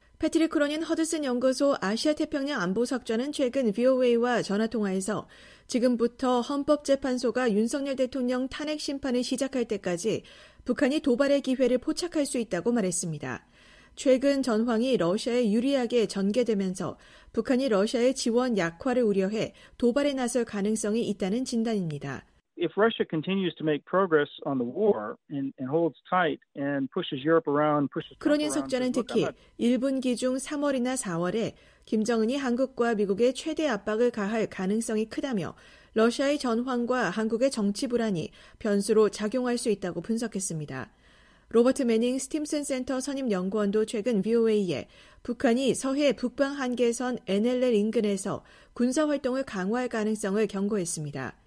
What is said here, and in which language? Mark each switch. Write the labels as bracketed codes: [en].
[ko] 패트릭 크로닌 허드슨 연구소 아시아태평양 안보석좌는 최근 VOA와 전화통화에서 지금부터 헌법재판소가 윤석열 대통령 탄핵 심판을 시작할 때까지 북한이 도발의 기회를 포착할 수 있다고 말했습니다. 최근 전황이 러시아에 유리하게 전개되면서 북한이 러시아의 지원 약화를 우려해 도발에 나설 가능성이 있다는 진단입니다. [en] If Russia continues to make progress on the war and holds tight and pushes Europe around, pushes Trump [ko] 그런 해석자는 특히 1분기 중 3월이나 4월에 김정은이 한국과 미국의 최대 압박을 가할 가능성이 크다며 러시아의 전황과 한국의 정치 불안이 변수로 작용할 수 있다고 분석했습니다. 로버트 매닝 스팀슨 센터 선임 연구원도 최근 VOA에 북한이 서해 북방 한계선 NLL 인근에서 군사 활동을 강화할 가능성을 경고했습니다.